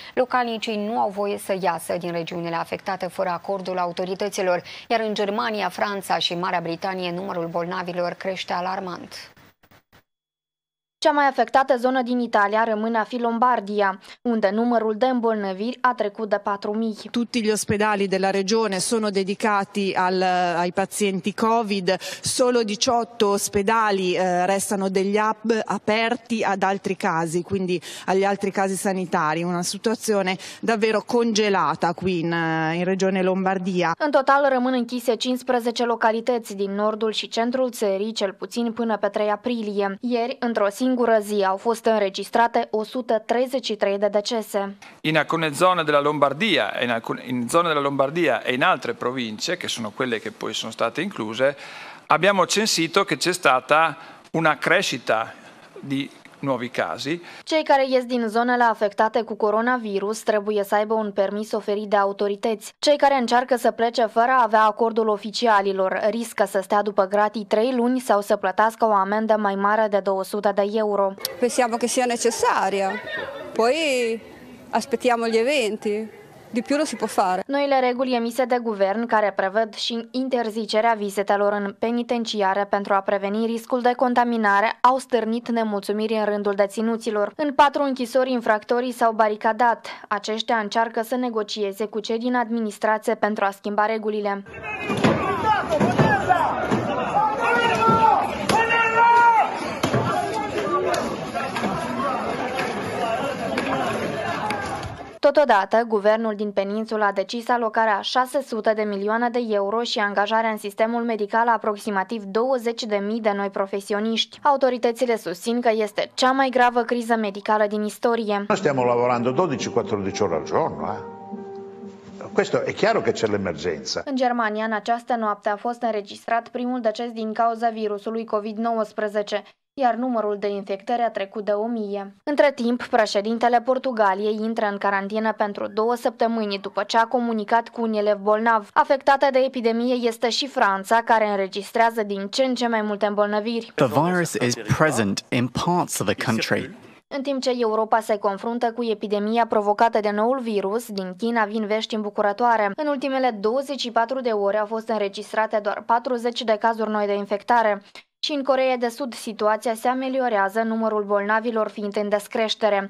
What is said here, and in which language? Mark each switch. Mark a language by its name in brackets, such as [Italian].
[Romanian] Localnicii nu au voie să iasă din regiunile afectate fără acordul autorităților, iar în Germania, Franța și Marea Britanie, numărul bolnavilor crește alarmant. Cea mai afectată zonă din Italia rămâne a fi Lombardia, unde numărul de îmbolnăviri a trecut de 4.000. [Italian] Tutti gli ospedali della regione sono dedicati ai pazienti Covid, solo 18 ospedali restano degli hub aperti ad altri casi, quindi agli altri casi sanitari, una situazione davvero congelata qui in regione Lombardia. [Romanian] În total rămân închise 15 localități din nordul și centrul țării, cel puțin până pe 3 aprilie. Ieri, într-o singură zi au fost înregistrate 133 de decese. [Italian] In alcune zone della Lombardia e in zone della Lombardia e in altre province che sono quelle che poi sono state incluse, abbiamo censito che c'è stata una crescita di nuovi casi. [Romanian] Cei care ies din zonele afectate cu coronavirus trebuie să aibă un permis oferit de autorități. Cei care încearcă să plece fără a avea acordul oficialilor riscă să stea după gratii 3 luni sau să plătească o amendă mai mare de 200 de euro. [Italian] Pensiamo che sia necessaria. Poi aspettiamo gli eventi. Di più lo si può fare. [Romanian] Noile reguli emise de guvern, care prevăd și interzicerea vizitelor în penitenciare pentru a preveni riscul de contaminare, au stârnit nemulțumiri în rândul deținuților. În 4 închisori, infractorii s-au baricadat. Aceștia încearcă să negocieze cu cei din administrație pentru a schimba regulile. Totodată, guvernul din peninsulă a decis alocarea 600 de milioane de euro și angajarea în sistemul medical a aproximativ 20.000 de noi profesioniști. Autoritățile susțin că este cea mai gravă criză medicală din istorie. [Italian] Noi stiamo lavorando 12-14 ore al giorno, Questo è chiaro che c'è l'emergenza. [Romanian] În Germania, în această noapte a fost înregistrat primul deces din cauza virusului COVID-19. Iar numărul de infectări a trecut de 1.000. Între timp, președintele Portugaliei intră în carantină pentru 2 săptămâni după ce a comunicat cu un elev bolnav. Afectată de epidemie este și Franța, care înregistrează din ce în ce mai multe îmbolnăviri. [English] The virus is present in parts of the country. [Romanian] În timp ce Europa se confruntă cu epidemia provocată de noul virus, din China vin vești îmbucurătoare. În ultimele 24 de ore au fost înregistrate doar 40 de cazuri noi de infectare. Și în Coreea de Sud situația se ameliorează, numărul bolnavilor fiind în descreștere.